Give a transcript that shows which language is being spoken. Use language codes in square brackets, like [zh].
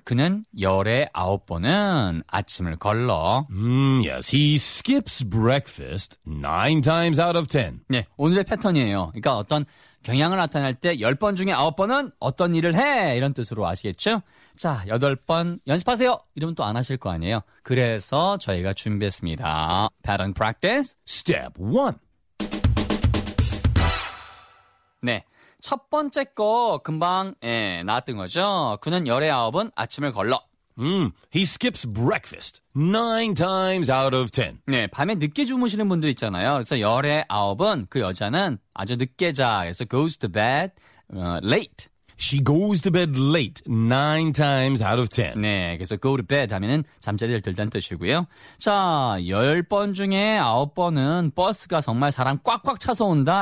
[ko] 그는 열의 9번은 아침을 걸러. [en] Yes, he skips breakfast 9 times out of 10. [ko] 네, 오늘의 패턴이에요. 그러니까 어떤 경향을 나타낼 때 10번 중에 9번은 어떤 일을 해? 이런 뜻으로 아시겠죠? 자, 8번 연습하세요! 이러면 또 안 하실 거 아니에요. 그래서 저희가 준비했습니다. [en] Pattern Practice Step 1. [ko] 네, 첫 번째 거 금방 나왔던 거죠. 그는 열의 9은 아침을 걸러. [en] He skips breakfast 9 times out of 10. [ko] 네, 밤에 늦게 주무시는 분들 있잖아요. 그래서 열의 아홉은 그 여자는 아주 늦게 자. 그래서 [en] goes to bed late. She goes to bed late 9 times out of 10. [ko] 네, 그래서 [en] go to bed [ko] 하면은 잠자리를 들다는 뜻이고요. 자, 10번 중에 9번은 버스가 정말 사람 꽉꽉 차서 온다.